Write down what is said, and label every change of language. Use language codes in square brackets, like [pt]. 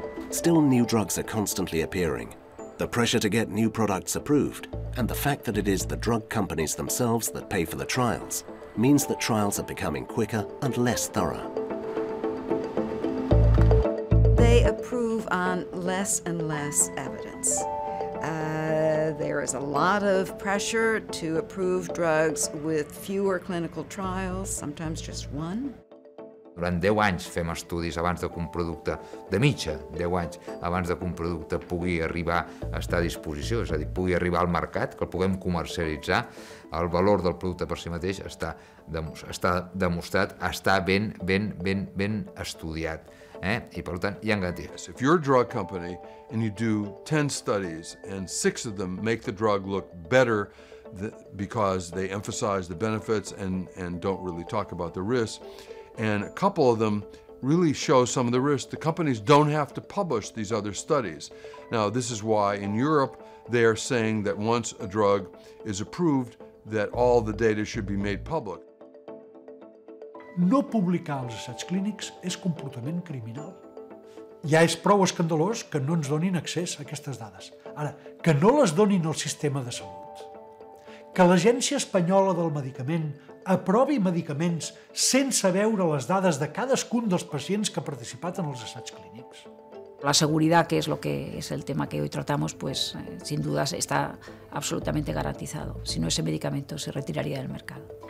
[en] Still, new drugs are constantly appearing. The pressure to get new products approved, and the fact that it is the drug companies themselves that pay for the trials, means that trials are becoming quicker and less thorough. They approve on less and less evidence. There is a lot of pressure to approve drugs with fewer clinical trials, sometimes just one. [ca] Durant 10 anys fem estudis abans de que un producte, de mitja, 10 anys abans de que un producte pugui arribar a estar a disposició, és a dir, pugui arribar al mercat, que el puguem comercialitzar. El valor del producte per si mateix està demostrat, està ben estudiat, eh? I per tant, hi ha garanties. [en] If you're a drug company and you do 10 studies and 6 of them make the drug look better because they emphasize the benefits and don't really talk about the risks, and a couple of them really show some of the risks, the companies don't have to publish these other studies. Now, this is why in Europe they are saying that once a drug is approved, that all the data should be made public. [ca] No publicar els assaigs clínics és comportament criminal. Ja és prou escandalós que no ens donin accés a aquestes dades. Ara, que no les donin al sistema de salut. Que l'Agència Espanyola del Medicament aprovi medicaments sense veure les dades de cadascun dels pacients que ha participat en els assaigs clínics. [es] La seguridad, que es lo que es el tema que hoy tratamos, pues sin dudas está absolutamente garantizado. Si no, ese medicamento se retiraría del mercado.